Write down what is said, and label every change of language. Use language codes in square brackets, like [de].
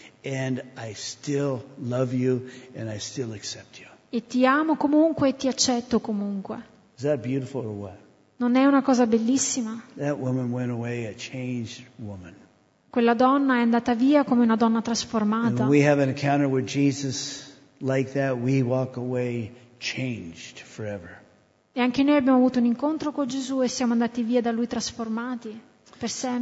[en] And I still love you and I still accept you. [it] E ti amo comunque e ti accetto comunque. [en] Is that beautiful or what? [it] Non è una cosa bellissima? [en] That woman went away a changed woman. [it] Quella donna è andata via come una donna trasformata. [en] And we have an encounter with Jesus like that, we walk away changed forever. [it] E anche noi abbiamo avuto un incontro con Gesù e siamo andati via da lui trasformati per sempre.